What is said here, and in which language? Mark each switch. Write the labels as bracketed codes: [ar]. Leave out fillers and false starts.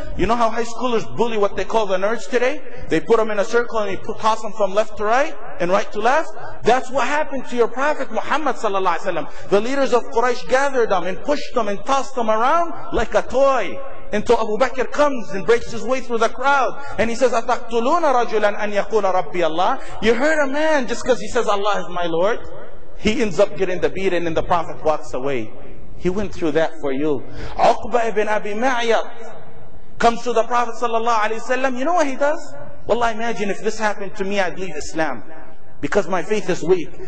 [en] You know how high schoolers bully what they call the nerds today? They put them in a circle and they toss them from left to right and right to left. That's what happened to your Prophet Muhammad sallallahu alaihi wasallam. The leaders of Quraysh gathered them and pushed them and tossed them around like a toy. Until Abu Bakr comes and breaks his way through the crowd. And he says, [ar] أَتَقْتُلُونَ رَجُلًا أَنْ يَقُولَ رَبِّيَ اللَّهِ. [en] You hurt a man just because he says Allah is my Lord. He ends up getting the beating and the Prophet walks away. He went through that for you. Uqba ibn Abi Ma'yat comes to the Prophet sallallahu alayhi wa sallam. You know what he does? Well, I imagine if this happened to me, I'd leave Islam because my faith is weak.